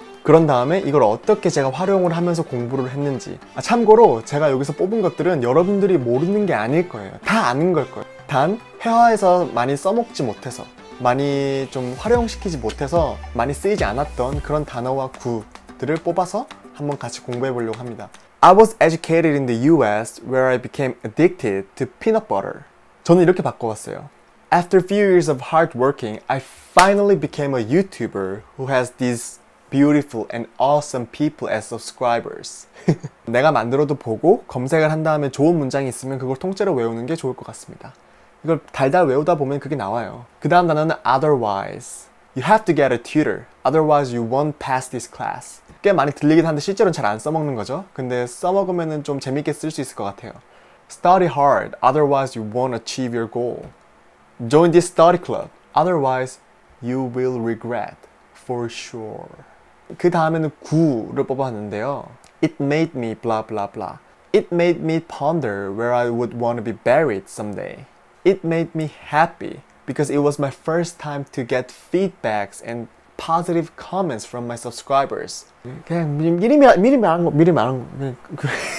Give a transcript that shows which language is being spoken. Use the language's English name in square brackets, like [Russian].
[Korean] 그런 다음에 이걸 어떻게 제가 활용을 하면서 공부를 했는지. 참고로 제가 여기서 뽑은 것들은 여러분들이 모르는 게 아닐 거예요. 다 아는 걸 거예요. 단, 회화에서 많이 써먹지 못해서, 많이 좀 활용시키지 못해서 많이 쓰이지 않았던 그런 단어와 구들을 뽑아서 한번 같이 공부해 보려고 합니다. [English] I was educated in the US where I became addicted to peanut butter. [Korean] 저는 이렇게 바꿔봤어요. [English] After a few years of hard working, I finally became a YouTuber who has these beautiful and awesome people as subscribers. [Korean] 내가 만들어도 보고 검색을 한 다음에 좋은 문장이 있으면 그걸 통째로 외우는 게 좋을 것 같습니다. 이걸 달달 외우다 보면 그게 나와요. 그 다음 단어는 [English] otherwise. You have to get a tutor. Otherwise you won't pass this class. [Korean] 꽤 많이 들리긴 한데 실제로는 잘 안 써먹는 거죠. 근데 써먹으면 좀 재밌게 쓸 수 있을 것 같아요. [English] Study hard. Otherwise you won't achieve your goal. Join this study club. Otherwise, you will regret for sure. [Korean] 그 다음에는 구를 뽑았는데요. [English] It made me blah blah blah. It made me ponder where I would want to be buried someday. It made me happy because it was my first time to get feedbacks and positive comments from my subscribers. [Korean] 그냥 미리 말한 거.